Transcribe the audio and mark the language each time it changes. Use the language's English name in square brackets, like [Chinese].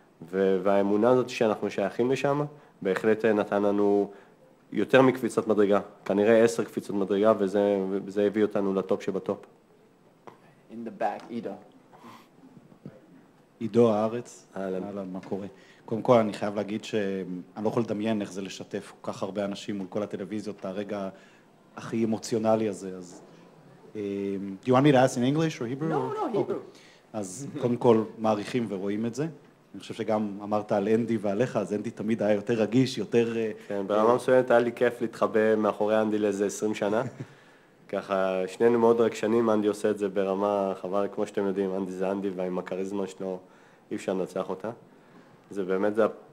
[Hebrew] והאמונה הזאת שאנחנו שייכים לשם, בהחלט נתן לנו יותר מקפיצת מדרגה, כנראה 10 קפיצות מדרגה, וזה הביא אותנו לטופ שבטופ. [English] In the back, Ido. [Hebrew] עידו הארץ, אהלן, מה קורה? קודם כל אני חייב להגיד שאני לא יכול לדמיין איך זה לשתף כל כך הרבה אנשים מול כל הטלוויזיות, את הרגע הכי אמוציונלי הזה, אז... [English] Do you want me to ask in English or Hebrew? No, no, Hebrew. [Hebrew] אז קודם כל מעריכים ורואים את זה. אני חושב שגם אמרת על אנדי ועליך, אז אנדי תמיד היה יותר רגיש, יותר... כן, ברמה מסוימת היה לי כיף להתחבא מאחורי אנדי לאיזה 20 שנה. ככה, שנינו מאוד רגשנים, אנדי עושה את זה ברמה חבל, כמו שאתם יודעים, אנדי זה אנדי, ועם הקריזמה שלו אי אפשר לנצח אותה. זה באמת, זה...